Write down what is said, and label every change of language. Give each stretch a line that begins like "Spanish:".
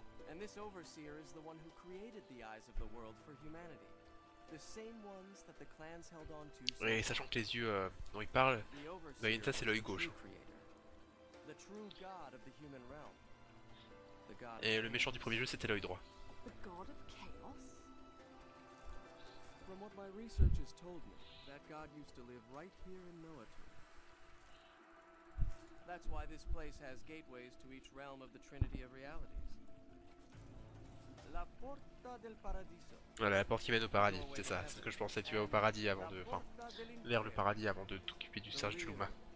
English: And this overseer is the one who created the eyes of the world for humanity. The same ones that the clans held on to.
French: Et sachant que les yeux dont il parle, ben ça c'est l'œil gauche.
English: The true god of the human realm.
French: Et le méchant du premier jeu c'était l'œil droit.
English: The god of chaos. From what my research has told me, that god used to live right here in Noatum. That's why this place has gateways to each realm of the Trinity of Realities.
Italian: La porta del paradiso.
French: Voilà, la porte qui mène au paradis, c'est ça, c'est ce que je pensais, tu vas au paradis avant de, enfin, vers le paradis avant de t'occuper du singe du Luma.